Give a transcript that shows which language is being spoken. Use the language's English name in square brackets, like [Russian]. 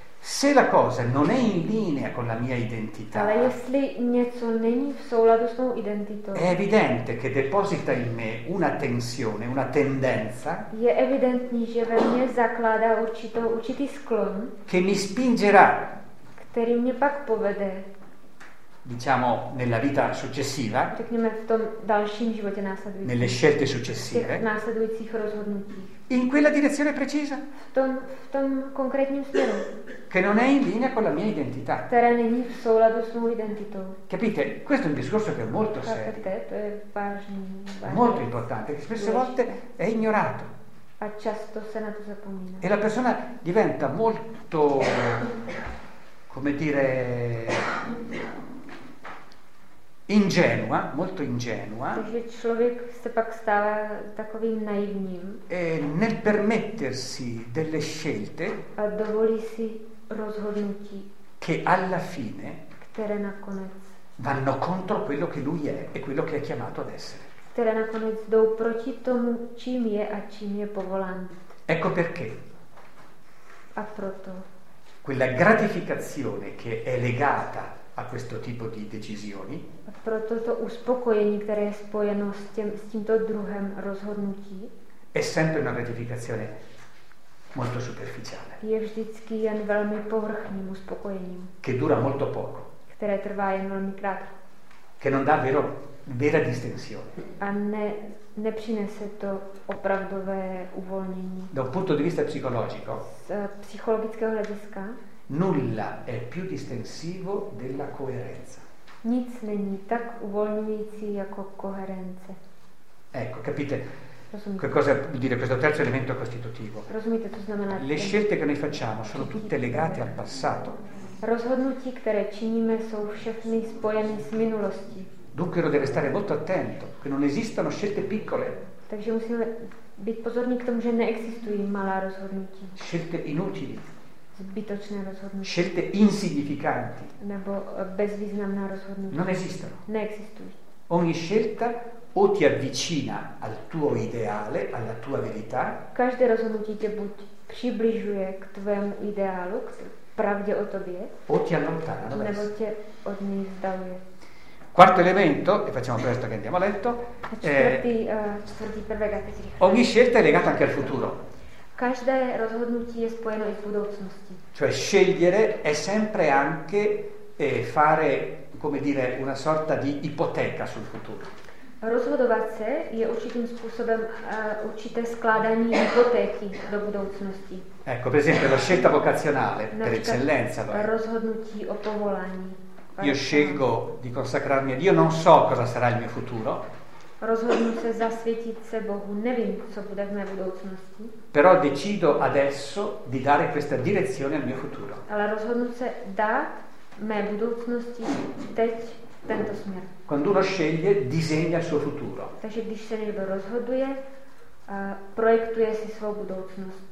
[Italian] Se la cosa non è in linea con la mia identità. [Czech] Ale jestli něco není v souladu s mou identitou. [Italian] È evidente che deposita in me una tensione, una tendenza. [Czech] Je evidentní, že ve mně zakládá určitý sklon. [Italian] Che mi spingerà. [Czech] Který mě pak povede. [Italian] Diciamo nella vita successiva. [Czech] Řekněme v tom dalším životě následujícím. [Italian] Nelle scelte successive. [Czech] V následujících rozhodnutích. [Italian] In quella direzione precisa. [Czech] V tom konkrétním směru. [Italian] Che non è in linea con la mia identità. [Czech] Která není v souladu s mou identitou. [Italian] Capite? Questo è un discorso che è molto serio. Capite? [Czech] To je vážný. [Italian] Molto importante, che spesso volte è ignorato. [Czech] A často se na to zapomíná. [Italian] E la persona diventa molto, come dire, ingenua, molto ingenua. [Czech] Takže člověk se pak stává takovým naivním. [Italian] E nel permettersi delle scelte. [Czech] A dovolí si rozhodnutí, [Italian] che alla fine, [Czech] které nakonec, [Italian] vanno contro quello che lui è e quello che è chiamato ad essere. [Czech] Které nakonec jdou proti tomu, čím je a čím je povolán. [Italian] Ecco perché. [Czech] A proto. [Italian] Quella gratificazione che è legata a questo tipo di decisioni. [Czech] A proto to uspokojení, které je spojeno s tímto druhem rozhodnutí. [Italian] È sempre una gratificazione molto superficiale. [Czech] Je vždycky jen velmi povrchním uspokojením. [Italian] Che dura molto poco. [Czech] Které trvá jen velmi krátko. [Italian] Che non dà vera distensione. [Czech] A nepřinese to opravdové uvolnění. [Italian] Da un punto di vista psicologico. [Czech] Z psychologického hlediska. [Italian] Nulla è più distensivo della coerenza. [Czech] Nic není tak uvolňující jako koherence. [Italian] Ecco, capite? Che cosa vuol dire questo terzo elemento costitutivo? [Czech] Rozumíte, to znamená, [Italian] le scelte che noi facciamo sono tutte legate al passato. [Czech] Rozhodnutí, které činíme, jsou všechny spojené s minulostí. [Italian] Dunque uno deve stare molto attento che non esistano scelte piccole. [Czech] Takže musíme být pozorní k tomu, že neexistují malá rozhodnutí. [Italian] Scelte inutili. [Czech] Zbytočné rozhodnutí. [Italian] Scelte insignificanti. [Czech] Nebo bezvýznamná rozhodnutí. [Italian] Non esistono. [Czech] Neexistují. [Italian] Ogni scelta o ti avvicina al tuo ideale, alla tua verità. [Czech] Každé rozhodnutí tě buď přibližuje k tvému ideálu, k pravdě o tobě. [Italian] O ti allontana. [Czech] Nebo tě od něj vzdaluje. [Italian] Quarto elemento, e facciamo presto che andiamo a letto. [Czech] Čtvrtý prvek, a teď rychle. [Italian] Ogni scelta è legata anche al futuro. [Czech] Každé rozhodnutí je spojeno i s budoucností. [Italian] Cioè scegliere è sempre anche fare, come dire, una sorta di ipoteca sul futuro. [Czech] Rozhodovat se je určitým způsobem určité skládání hypotéky do budoucnosti. [Italian] Ecco, per esempio, la scelta vocazionale, per eccellenza. [Czech] Rozhodnutí o povolání. [Italian] Io scelgo di consacrarmi a Dio, non so cosa sarà il mio futuro. [Czech] Rozhodnu se zasvětit se Bohu, nevím, co bude v mé budoucnosti. [Italian] Però decido adesso di dare questa direzione al mio futuro. [Czech] Ale rozhodnu se dát mé budoucnosti teď tento směr. [Italian] Quando uno sceglie, disegna il suo futuro. [Czech] Takže když se někdo rozhoduje, projektuje si svou budoucnost.